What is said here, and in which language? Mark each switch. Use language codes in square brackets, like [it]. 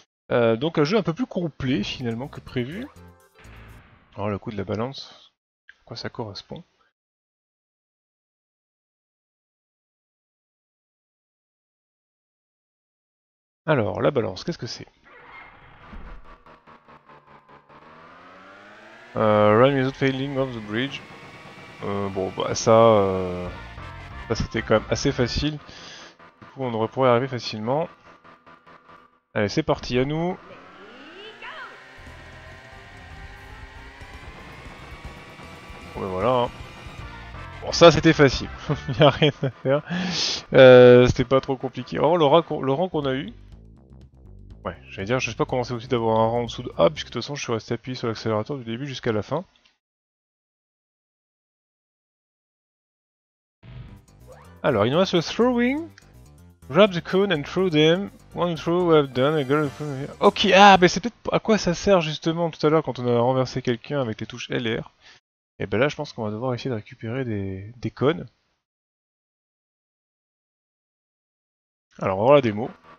[fr] Donc un jeu un peu plus complet finalement que prévu. Oh, le coup de la balance, à quoi ça correspond? Alors, la balance, qu'est-ce que c'est? [en] Run without failing of the bridge. [fr] Bon, bah ça... ça c'était quand même assez facile. Du coup, on aurait pu y arriver facilement. Allez, c'est parti, à nous. Bon, ben voilà. Hein. Bon, ça c'était facile. Il n'y a rien à faire. C'était pas trop compliqué. Alors, le rang qu'on a eu... Ouais, j'allais dire, je sais pas comment c'est aussi d'avoir un rang en dessous de A, puisque de toute façon je suis resté appuyé sur l'accélérateur du début jusqu'à la fin. Alors, il nous reste le throwing. [en] Grab the cone and throw them. One throw, we have done, I got a cone. [fr] Ok, ah, mais c'est peut-être à quoi ça sert justement tout à l'heure quand on a renversé quelqu'un avec les touches L et R. Et ben là, je pense qu'on va devoir essayer de récupérer des cones. Alors, on va voir la démo.